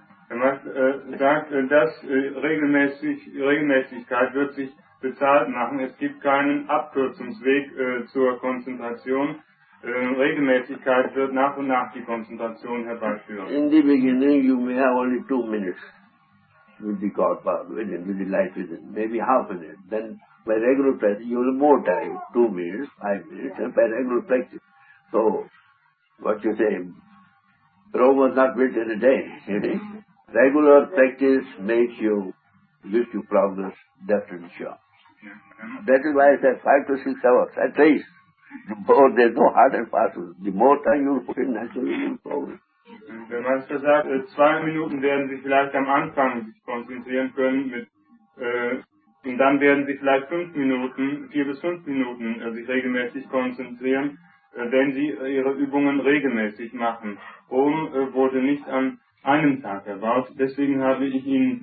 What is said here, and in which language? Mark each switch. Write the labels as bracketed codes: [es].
[de] Er sagt, dass Regelmäßigkeit wird sich bezahlt machen. Es gibt keinen Abkürzungsweg zur Konzentration. Regelmäßigkeit wird nach und nach die Konzentration herbeiführen. [en] In the beginning, you may have only 2 minutes. With the God power within, with the life within, maybe half a minute. Then by regular practice, you'll have more time, 2 minutes, 5 minutes, and by regular practice. So, what you say, Rome was not built in a day, you see? Regular practice makes you, gives you progress, definitely sure. That is why I said 5 to 6 hours, at least. The more, there's no hard and fast. The more time you put in, naturally you'll progress. [de] Der Meister sagt, 2 Minuten werden Sie vielleicht am Anfang sich konzentrieren können mit Und dann werden Sie vielleicht 5 Minuten, 4 bis 5 Minuten sich regelmäßig konzentrieren, wenn Sie Ihre Übungen regelmäßig machen. Rom wurde nicht an einem Tag erbaut, deswegen habe ich Ihnen